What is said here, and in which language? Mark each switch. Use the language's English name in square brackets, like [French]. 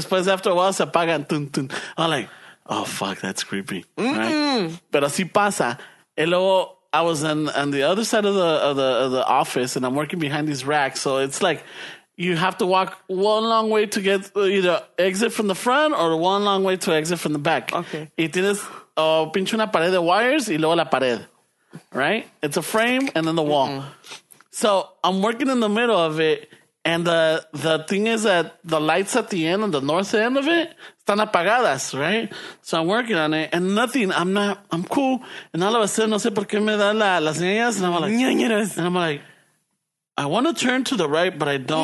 [Spanish] Después, [English] after a while, [Spanish] se apagan. [English] Tun, tun. I'm like, oh fuck, that's creepy. Mm-mm. Right. [Spanish] Pero así pasa. Y luego [English] I was on the other side of the office, and I'm working behind these racks. So it's like you have to walk one long way to get either exit from the front or one long way to exit from the back. Okay. [Spanish] Y tienes pinche una pared de wires y luego la pared. [English] Right? It's a frame and then the wall. Mm-hmm. So I'm working in the middle of it, and the thing is that the lights at the end, on the north end of it, [Spanish] están apagadas, [English] right? So I'm working on it, and nothing, I'm cool. And all of a sudden, [Spanish] no sé por qué me da las niñas, [English] and I'm like, I want to turn to the right, but I don't.